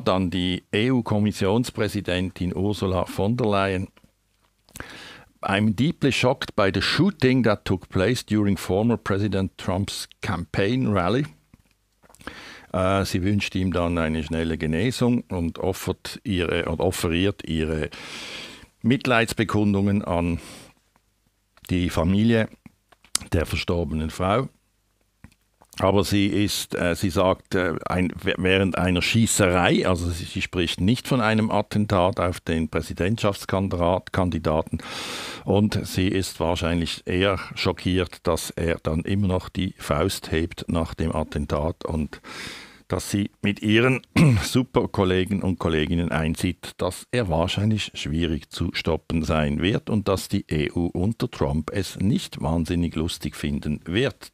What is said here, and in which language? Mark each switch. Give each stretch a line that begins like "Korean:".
German: Dann die EU-Kommissionspräsidentin Ursula von der Leyen
English: I'm deeply shocked by the shooting that took place during former President Trump's campaign rally.
German: Sie wünscht ihm dann eine schnelle Genesung und offeriert ihre Mitleidsbekundungen an die Familie der verstorbenen Frau. Aber sie ist, während einer Schießerei, also sie spricht nicht von einem Attentat auf den Präsidentschaftskandidaten, und sie ist wahrscheinlich eher schockiert, dass er dann immer noch die Faust hebt nach dem Attentat und dass sie mit ihren Superkollegen und Kolleginnen einsieht, dass er wahrscheinlich schwierig zu stoppen sein wird und dass die EU unter Trump es nicht wahnsinnig lustig finden wird.